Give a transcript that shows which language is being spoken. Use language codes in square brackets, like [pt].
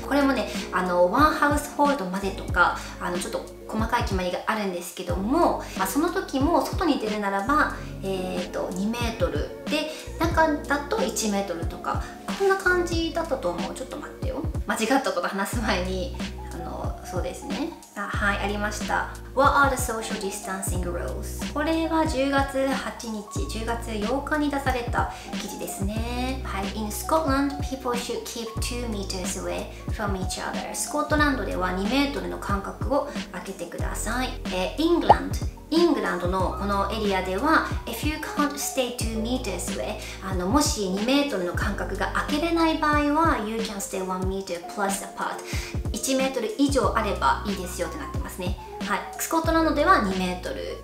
[ja] これもね、ワンハウスホールドまでとか、ちょっと細かい決まりがあるんですけども、その時も外に出るならば、2メートルで、中だと1メートルとか、こんな感じだったと思う。ちょっと待ってよ、間違ったこと話す前に、そうですね、はい、ありました。 [en] What are the social distancing rules? [ja] これは10月8日に出された記事ですね。 [en] はい、In Scotland, people should keep 2 meters away from each other. [ja] スコットランドでは2メートルの間隔を空けてください。イングランドのこのエリアでは、 [en] If you can't stay 2 meters away, [ja] もし2メートルの間隔が空けれない場合は、 [en] You can stay 1 meter plus apart. [ja] 1メートル以上あればいいですよってなってますね。はい、スコットランドでは2メートル。